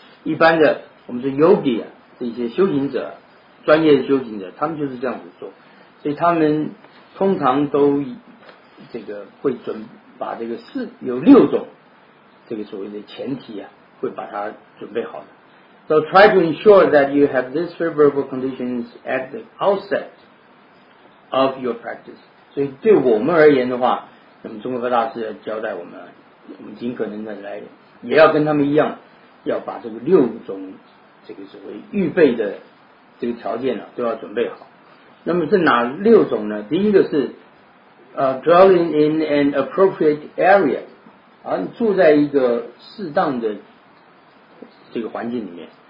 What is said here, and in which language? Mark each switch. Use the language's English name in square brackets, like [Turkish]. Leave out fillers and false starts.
[Chinese] 一般的我们说 Yogi 这些修行者，专业的修行者，他们就是这样子做，所以他们通常都这个会准把这个四有六种这个所谓的前提会把它准备好的。 [English] So try to ensure that you have these favorable conditions at the outset of your practice. [Chinese] 所以对我们而言的话，那么中国大师交代我们，我们尽可能的来，也要跟他们一样，要把这个六种这个所谓预备的这个条件都要准备好。那么是哪六种呢？第一个是 [English] dwelling in an appropriate area， [Chinese] 住在一个适当的这个环境里面。